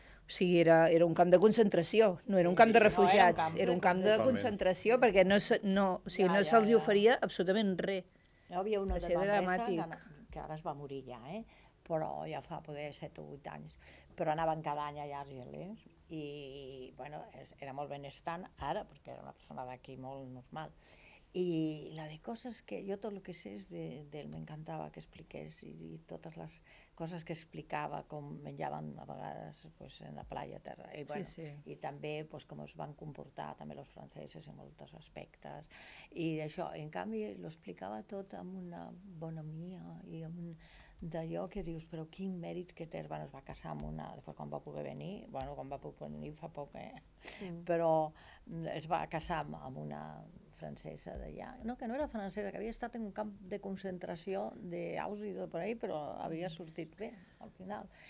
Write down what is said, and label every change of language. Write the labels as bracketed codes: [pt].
[ca] O sigui, era un camp de concentració, no era un camp de refugiats, era un camp de concentració perquè no se'ls oferia absolutament res. Hi havia una de Manresa que ara es va morir ja, però ja fa poder 7 o 8 anys, però anaven cada any allà a Argelers i bueno, era molt benestant ara perquè era una persona d'aquí molt normal. [es] Y la de cosas que yo todo lo que sé es de él, me encantaba que expliqués y todas las cosas que explicaba, [ca] com menjaven a vegades pues, en la playa a terra. I, bueno, i també pues, com es van comportar també els franceses en molts aspectes. I això, en canvi, lo explicava tot amb una bonhomia i amb un... d'allò que dius, però quin mèrit que tens, bueno, es va casar amb una, després quan va poder venir, bueno, quan va poder venir fa poc, però es va casar amb una francesa d'allà, no, que no era francesa, que havia estat en un camp de concentració d'Auschwitz o per ahí, però havia sortit bé, al final.